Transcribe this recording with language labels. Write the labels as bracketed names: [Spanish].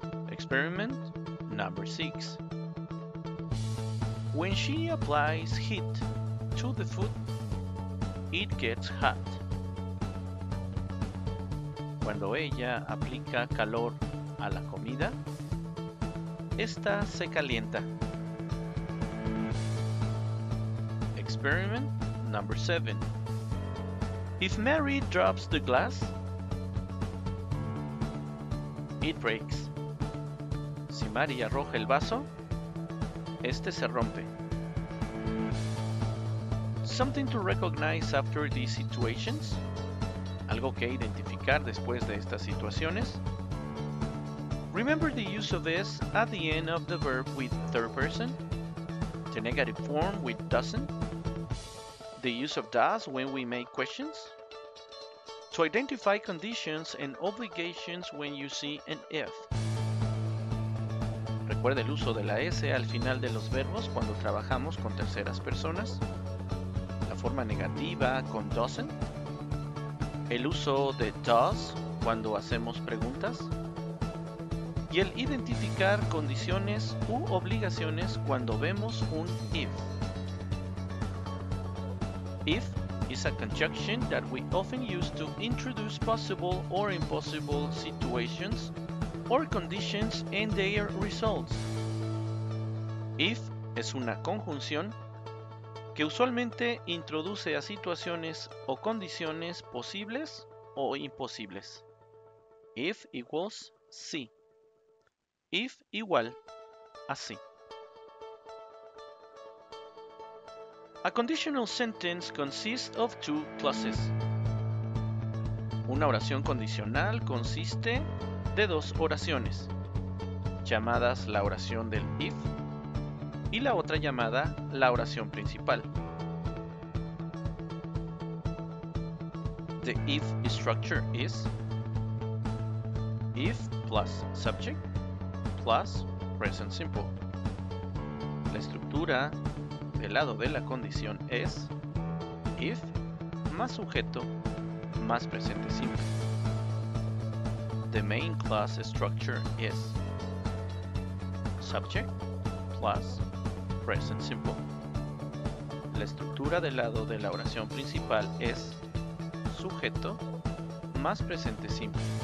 [English] Experiment number 6. When she applies heat to the food, it gets hot. [Spanish] Cuando ella aplica calor a la comida, esta se calienta. [English] Experiment number 7. If Mary drops the glass, it breaks. [Spanish] Si Mary arroja el vaso, este se rompe. [English] Something to recognize after these situations. [Spanish] Algo que identificar después de estas situaciones. [English] Remember the use of is at the end of the verb with third person, the negative form with doesn't, the use of does when we make questions, to identify conditions and obligations when you see an if. [Spanish] Recuerda el uso de la S al final de los verbos cuando trabajamos con terceras personas, la forma negativa con doesn't, el uso de does cuando hacemos preguntas, y el identificar condiciones u obligaciones cuando vemos un if. [English] If is a conjunction that we often use to introduce possible or impossible situations or conditions and their results. [Spanish] If es una conjunción que usualmente introduce a situaciones o condiciones posibles o imposibles. [English] If equals sí. [Spanish] If igual a sí. [English] A conditional sentence consists of two clauses. [Spanish] Una oración condicional consiste de dos oraciones, llamadas la oración del if y la otra llamada la oración principal. [English] The if structure is if plus subject plus present simple. [Spanish] La estructura del lado de la condición es if más sujeto más presente simple. [English] The main clause structure is subject plus present simple. [Spanish] La estructura del lado de la oración principal es sujeto más presente simple.